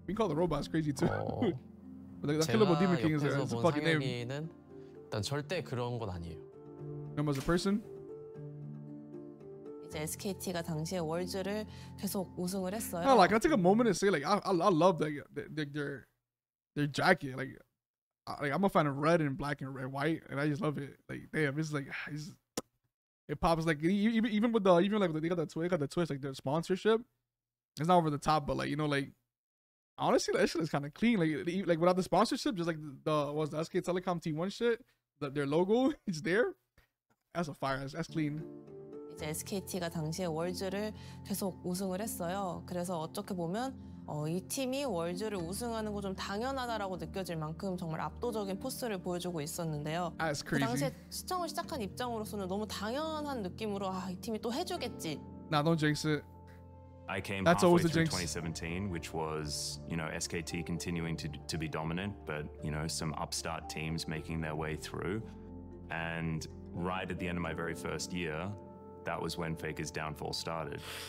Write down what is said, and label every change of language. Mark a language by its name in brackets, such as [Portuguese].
[English] We call the robots crazy too. [Korean] 제가 옆에서 본 상영이는 일단 절대 그런 건 아니에요. [English] Not as a person. [Korean] 이제 SKT가 당시에 월즈를 계속 우승을 했어요. [English] I like. I took a moment to say like I love their jacket like. Like I'm a fan of red and black and red white, and I just love it. Like damn, it's like it's, it pops. Like even with the even like they got the twist, like their sponsorship, it's not over the top. But like you know, like honestly, like, that shit is kind of clean. Like without the sponsorship, just like the SK Telecom T1 shit, their logo is there. That's a fire. That's clean. [Korean] 이제 SKT가 당시에 월즈를 계속 우승을 했어요. 그래서 어떻게 보면 이 팀이 월즈를 우승하는 거 좀 당연하다라고 느껴질 만큼 정말 압도적인 포스를 보여주고 있었는데요. 그 당시에 시청을 시작한 입장으로서는 너무 당연한 느낌으로 이 팀이 또 해주겠지. [English] Nah, don't jinx it. I came halfway through 2017, which was, you know, SKT continuing to be dominant, but you know, some upstart teams making their way through. And right at the end of my very first year, that was when Faker's downfall started.